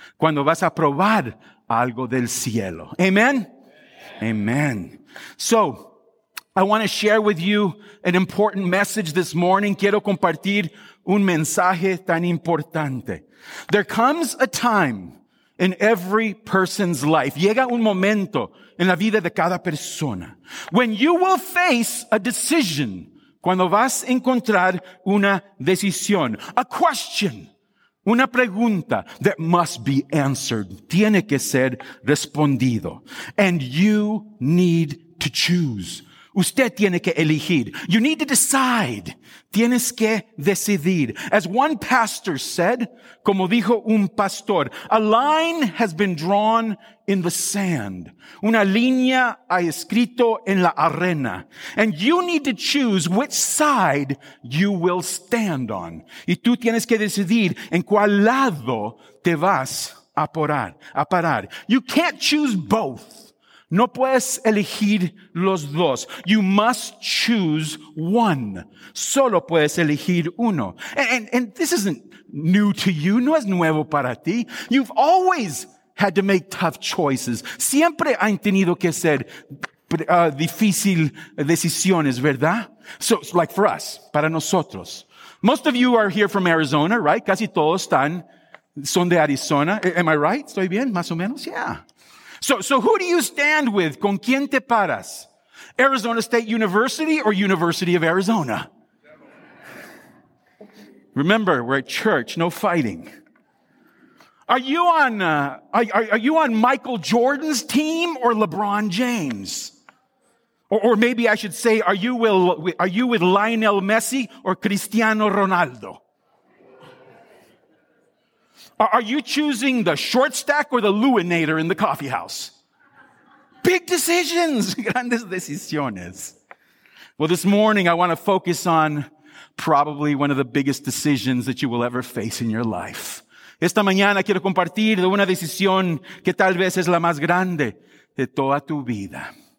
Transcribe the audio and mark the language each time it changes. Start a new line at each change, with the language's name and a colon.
Spanish: Cuando vas a probar algo del cielo. Amen? Amen.
English: So, I want to share with you an important message this morning.
Spanish: Quiero compartir un mensaje tan importante.
English: There comes a time in every person's life.
Spanish: Llega un momento en la vida de cada persona.
English: When you will face a decision.
Spanish: Cuando vas a encontrar una decisión.
English: A question.
Spanish: Una pregunta
English: that must be answered.
Spanish: Tiene que ser respondido.
English: And you need to choose.
Spanish: Usted tiene que elegir.
English: You need to decide.
Spanish: Tienes que decidir.
English: As one pastor said,
Spanish: como dijo un pastor,
English: a line has been drawn in the sand.
Spanish: Una línea ha escrito en la arena.
English: And you need to choose which side you will stand on.
Spanish: Y tú tienes que decidir en cuál lado te vas a parar.
English: You can't choose both.
Spanish: No puedes elegir los dos.
English: You must choose one.
Spanish: Solo puedes elegir uno.
English: And this isn't new to you.
Spanish: No es nuevo para ti.
English: You've always had to make tough choices.
Spanish: Siempre han tenido que hacer difícil decisiones, ¿verdad?
English: So like for us,
Spanish: para nosotros.
English: Most of you are here from Arizona, right?
Spanish: Casi todos son de Arizona.
English: Am I right?
Spanish: ¿Estoy bien? Más o menos, yeah.
English: So who do you stand with?
Spanish: ¿Con quién te paras?
English: Arizona State University or University of Arizona? Remember, we're at church, no fighting. Are you on Michael Jordan's team or LeBron James? Or maybe I should say, are you with Lionel Messi or Cristiano Ronaldo? Are you choosing the short stack or the Lewinator in the coffee house? Big decisions.
Spanish: Grandes decisiones.
English: Well, this morning I want to focus on probably one of the biggest decisions that you will ever face in your life.
Spanish: Esta mañana quiero compartir de una decisión que tal vez es la más grande de toda tu vida.